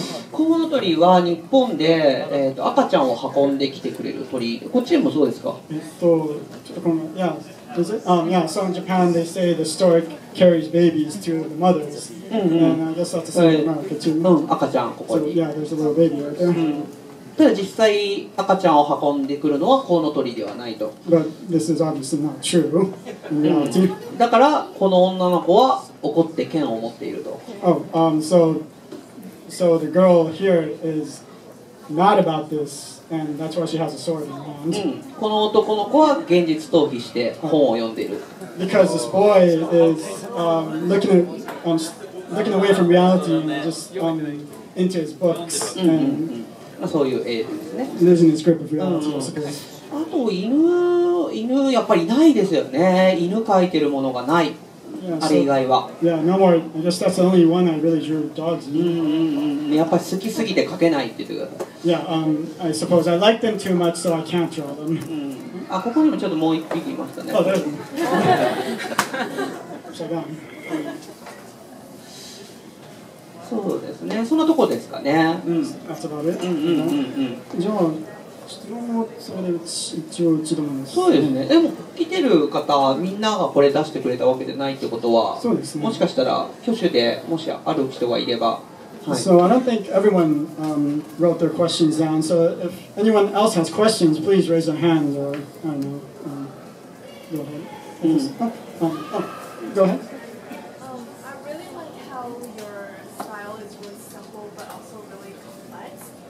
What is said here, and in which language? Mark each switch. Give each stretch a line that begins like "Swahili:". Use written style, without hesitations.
Japanese: コウノトリは日本で、赤ちゃんを運んできてくれる鳥。こっちでもそうですか？
English: So in Japan they say the stork carries babies to the mothers. And I guess that's the same in America too.
Japanese: 赤ちゃんここに。
English: So, yeah, there's a little baby right there.
Japanese: ただ実際赤ちゃんを運んでくるのはコウノトリではないと。
English: But this is obviously not true in reality.
Japanese: だからこの女の子は怒って剣を持っていると。
English: Oh, so the girl here is not about this. And that's why she has a sword in hand.
Japanese: この男の子は現実逃避して本を読んでいる。
English: Because this boy is looking away from reality and just into his books and
Japanese: そういう絵ですね。
English: Losing his grip of reality, I suppose.
Japanese: あと犬やっぱりないですよね。犬描いてるものがない。あれ以外は。
English: Yeah, no more. I guess that's the only one I really drew dogs.
Japanese: やっぱり好きすぎて描けないって言ってください。
English: Yeah, I suppose I like them too much, so I can't draw them.
Japanese: あ、ここにもちょっともう一匹いましたね。
English: Oh, there's one. Shut down.
Japanese: そうですね。そんなとこですかね。
English: That's about it.
Japanese: じゃあ、質問もそれで一応一度なんです。そうですね。でも、来てる方、みんながこれ出してくれたわけじゃないってことは、そうですね、もしかしたら、挙手でもしある人がいれば、
English: So I don't think everyone wrote their questions down. So if anyone else has questions, please raise their hand or I don't know. Go ahead. Go ahead. I'm really like how your style is really simple but also really complex.